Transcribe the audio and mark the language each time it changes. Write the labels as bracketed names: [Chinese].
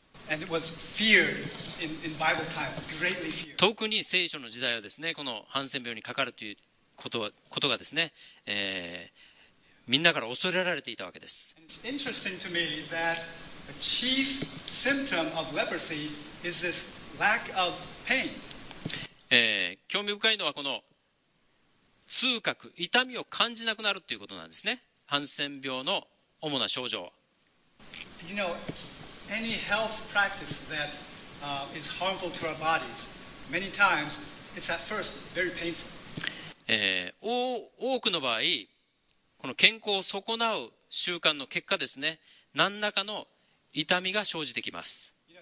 [English] And it was feared in Bible times, greatly feared. [Japanese] 特に聖書の時代はですね、このハンセン病にかかるということがですね、みんなから恐れられていたわけです。 [English] And it's interesting to me that the chief symptom of leprosy is this lack of pain. [Japanese] 興味深いのはこの痛覚、痛みを感じなくなるということなんですね。ハンセン病の主な症状。 [English] You know, any health practice that, is harmful to our bodies, many times it's at first very painful. [Japanese] 多くの場合、この健康を損なう習慣の結果ですね、何らかの痛みが生じてきます。